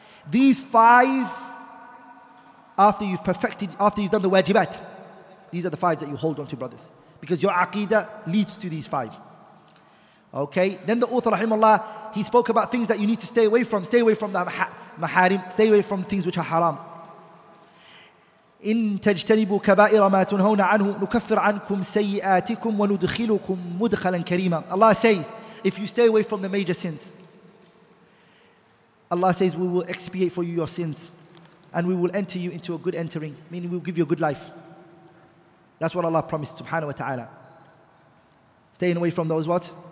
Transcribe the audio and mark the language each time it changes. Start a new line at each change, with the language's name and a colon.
English: These five, after you've perfected, after you've done the wajibat, these are the five that you hold on to, brothers. Because your aqeedah leads to these five. Okay? Then the author, rahimahullah, he spoke about things that you need to stay away from. Stay away from the maharim. Stay away from things which are haram.
Arabic: إن تجتنبوا كبائر ما تنهون عنه نكفر عنكم سيئاتكم وندخلكم مدخلا كريما.
English: Allah says, if you stay away from the major sins, Allah says, we will expiate for you your sins and we will enter you into a good entering, meaning we will give you a good life. That's what Allah promised, subhanahu wa ta'ala. Staying away from those what?